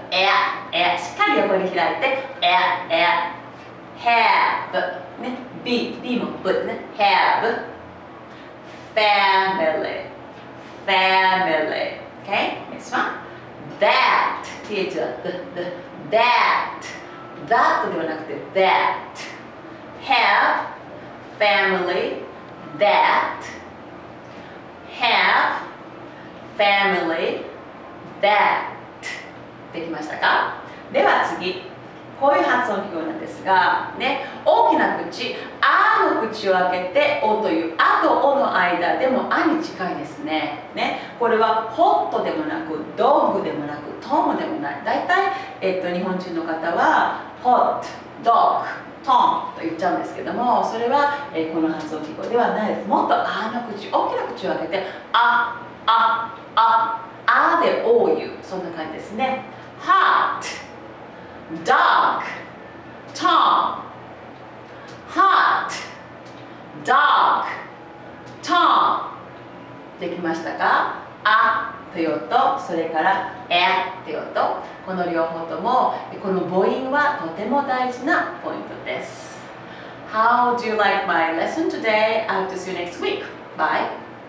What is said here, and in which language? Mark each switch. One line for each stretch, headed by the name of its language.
Japanese: え、え、しっかり横に開いて、え、え、have、ね、B、B も B ね、have、family、family、okay、next one、that、th は、th、th、that。 That ではなくて
English: That Have Family That
Japanese: Have Family That できましたか。では次、こういう発音記号なんですが、ね、大きな口、あの口を開けて、おという、あとおの間、でもあに近いですね。ね、これは、ホットでもなく、ドッグでもなく、トムでもない。大体、日本人の方は、ホット、ドッグ、トムと言っちゃうんですけども、それは、この発音記号ではないです。もっとあの口、大きな口を開けて、あ、あ、あ、あでおういう、そんな感じですね。ハート。
English: Dog, Tom, Hot, Dog, Tom
Japanese: できましたか。あという音、それからえという音、この両方とも、この母音はとても大事なポイントです。
English: How do you like my lesson today? I'll see you next week. Bye.